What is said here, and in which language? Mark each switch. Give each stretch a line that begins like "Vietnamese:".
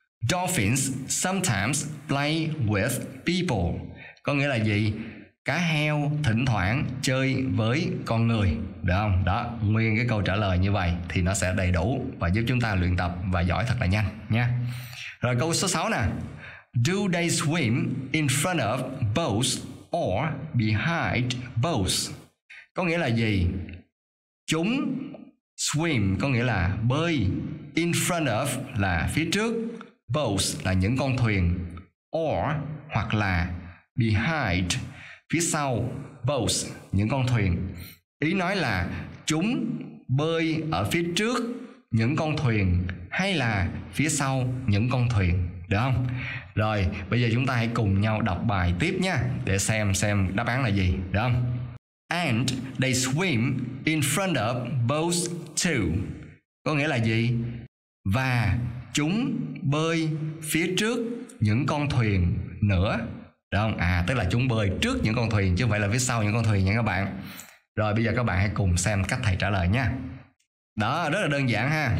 English: Dolphins sometimes play with people.
Vietnamese: Có nghĩa là gì? Cá heo thỉnh thoảng chơi với con người, được không? Đó, nguyên cái câu trả lời như vậy thì nó sẽ đầy đủ và giúp chúng ta luyện tập và giỏi thật là nhanh nha. Rồi câu số 6 nè.
English: Do they swim in front of boats or behind boats?
Vietnamese: Có nghĩa là gì? Chúng swim có nghĩa là bơi,
English: in front of
Vietnamese: là phía trước, boats là những con thuyền, or hoặc là behind, phía sau, boats, những con thuyền. Ý nói là chúng bơi ở phía trước những con thuyền hay là phía sau những con thuyền, được không? Rồi, bây giờ chúng ta hãy cùng nhau đọc bài tiếp nha, để xem đáp án là gì, được không?
English: And they swim in front of boats too.
Vietnamese: Có nghĩa là gì? Và chúng bơi phía trước những con thuyền nữa. Được không? À, tức là chúng bơi trước những con thuyền chứ không phải là phía sau những con thuyền nha các bạn. Rồi bây giờ các bạn hãy cùng xem cách thầy trả lời nha. Đó, rất là đơn giản ha.